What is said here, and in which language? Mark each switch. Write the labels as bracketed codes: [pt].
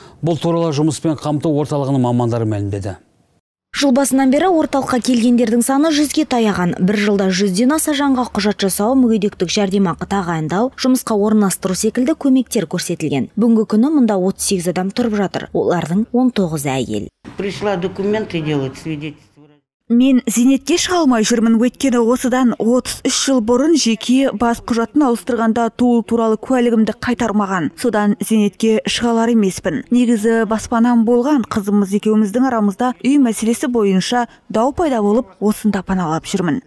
[kk] Бұл туралы жұмыспен қамту орталығының мамандары мәлімдеді. Жыл басынан бері орталыққа келгендердің саны 100-ге таяған. Бір жылда 100-ден аса жанға құжат жасау, мүгедектік жәрдемақы тағайындау, жұмысқа орналастыру секілді көмектер көрсетілген. Бүгінгі күні мұнда 38 адам тұрып жатыр. Олардың 19-ы әйел. [ru] Пришла документы делать, свидетель. [kk] Мен зейнетке шыға алмай жүрмін, өйткені осыдан 33 жыл бұрын жеке бас құжатын ауыстырғанда туылу туралы куәлігімді қайтармаған. Содан зейнетке шыға алар емеспін. Негізі баспанам болған, қызымыз екеуміздің арамызда үй мәселесі бойынша дау пайда болып, осында паналап жүрмін.